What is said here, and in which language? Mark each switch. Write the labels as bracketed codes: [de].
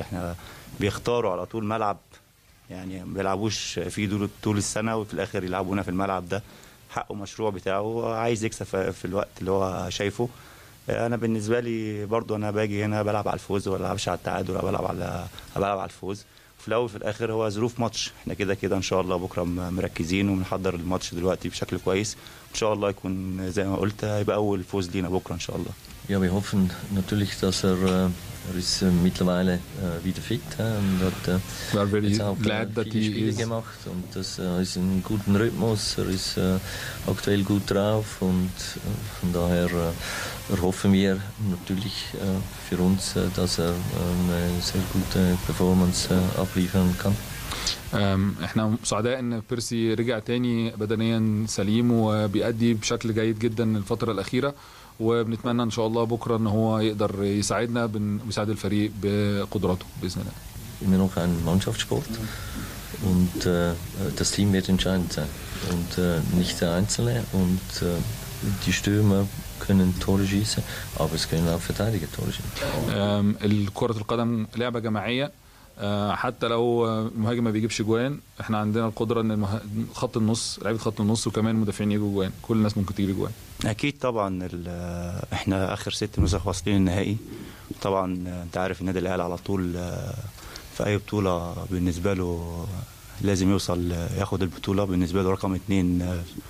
[ar] احنا بيختاروا على طول ملعب يعني ما بيلعبوش فيه طول السنة، وفي الاخر يلعبونا في الملعب ده، حقه مشروع بتاعه عايز يكسب في الوقت اللي هو شايفه. انا بالنسبة لي برضو انا باجي هنا بلعب على الفوز، ولا بلعبش على التعادل، بلعب على الفوز. في الأول في الآخر هو ظروف ماتش، احنا كده كده إن شاء الله بكرة مركزين ومنحضر الماتش دلوقتي بشكل كويس، إن شاء الله يكون زي ما قلت هيبقى أول فوز لينا بكرة إن شاء الله. [de] Ja, wir hoffen natürlich, dass er ist mittlerweile wieder fit und hat viele Spiele gemacht und das ist in guten Rhythmus, er ist aktuell gut drauf und von daher hoffen wir natürlich für uns, dass er eine sehr gute Performance abliefern kann. [ar] احنا سعداء ان بيرسي رجع تاني بدنيا سليم وبيأدي بشكل جيد جدا الفترة الأخيرة، وبنتمنى ان شاء الله بكرة ان هو يقدر يساعدنا ويساعد الفريق بقدراته بإذن الله. [de] Immer noch ein Mannschaftssport und das Team wird entscheidend sein und nicht der Einzelne und die Stürmer können Tore schießen, aber es können auch Verteidiger Tore schießen. [ar] كرة القدم لعبة جماعية، حتى لو المهاجم ما بيجيبش جوان احنا عندنا القدره ان خط النص لعيبه خط النص وكمان مدافعين يجوا جوان، كل الناس ممكن تجيب جوان. اكيد طبعا احنا اخر ست نسخ واصلين النهائي، طبعا انت عارف النادي الاهلي على طول في اي بطوله بالنسبه له لازم يوصل ياخد البطوله، بالنسبه له رقم 2